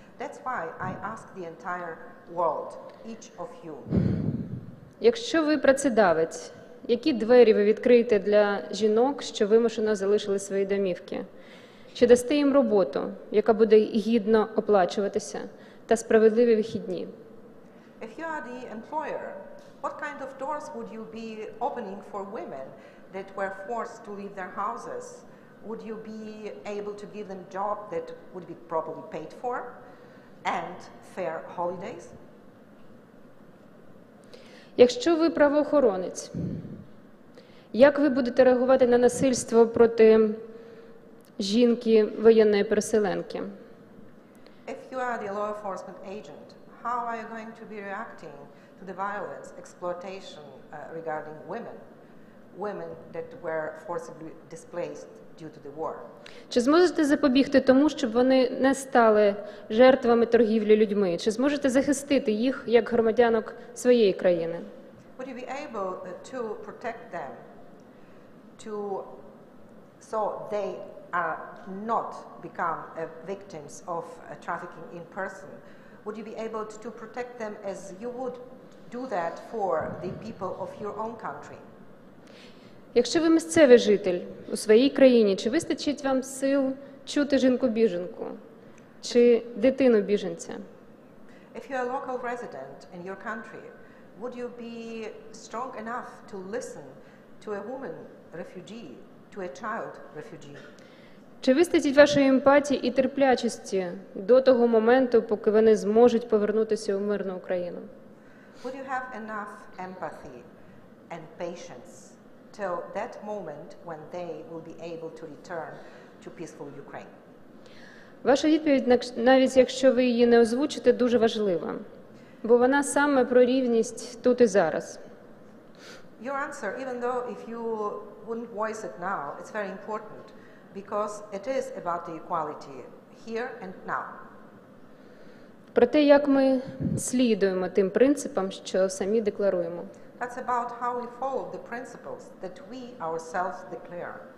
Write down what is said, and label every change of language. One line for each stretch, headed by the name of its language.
English: That's why I ask the entire world, each of you.
Ukrainian: Якщо ви працедавець, Які двері ви відкриєте для жінок, що вимушено залишили свої домівки? Чи дасте їм роботу, яка буде гідно оплачуватися, та справедливі вихідні?
English: If you are the employer, what kind of doors would you be opening for women that were forced to leave their houses? Would you be able to give them a job that would be properly paid for and fair holidays?
Ukrainian: Якщо ви правоохоронець, як ви будете реагувати на насильство проти жінки воєнної переселенки?
English: If you are the law enforcement agent, how are you going to be reacting to the violence, exploitation regarding women? Women that were forcibly displaced due to the war.
Ukrainian: Чи зможете запобігти тому, щоб вони не стали жертвами торгівлі людьми? Чи зможете захистити їх як громадянок своєї країни?
English: Would you be able to protect them to so they are not become victims of trafficking in person? Would you be able to protect them as you would do that for the people of your own country?
Ukrainian: Якщо ви місцевий житель у своїй країні, чи вистачить вам сил чути жінку-біженку чи дитину-біженця?
English: If you are a local resident in your country, would you be strong enough to listen to a woman refugee, to a child refugee?
Ukrainian: Чи вистачить вашої емпатії і терплячості до того моменту, поки вони зможуть повернутися у мирну Україну?
English: Would you have enough empathy and patience till that moment when they will be able to return to peaceful Ukraine?
Ukrainian: Ваша відповідь, навіть якщо ви її не озвучите, дуже важлива, бо вона саме про рівність тут і зараз.
English: Your answer, even though if you wouldn't voice it now, it's very important, because it is about the equality here and now.
Ukrainian: Про те, як ми слідуємо тим принципам, що самі декларуємо.
English: That's about how we follow the principles that we ourselves declare.